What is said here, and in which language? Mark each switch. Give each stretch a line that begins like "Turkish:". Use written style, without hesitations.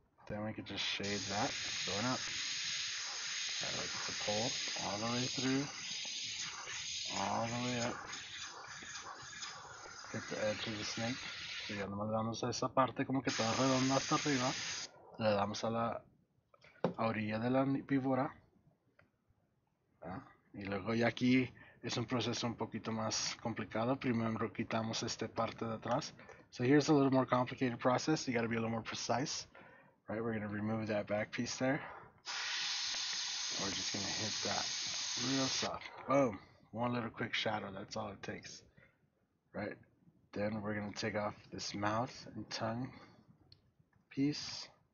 English: I could just shade that, going up. I like to pull all the way through, all the way up. Get the edge of the snake.
Spanish: Y a lo mejor le damos a esa parte como que está redonda hasta arriba. Le damos a la orilla de la víbora. Y luego ya aquí es un proceso un poquito más complicado. Primero quitamos esta parte de atrás.
English: So here's a little more complicated process. You got to be a little more precise. Right, we're going to remove that back piece there. We're just going to hit that real soft. Boom. One little quick shadow. That's all it takes. Right. Then we're going to take off this mouth and tongue piece.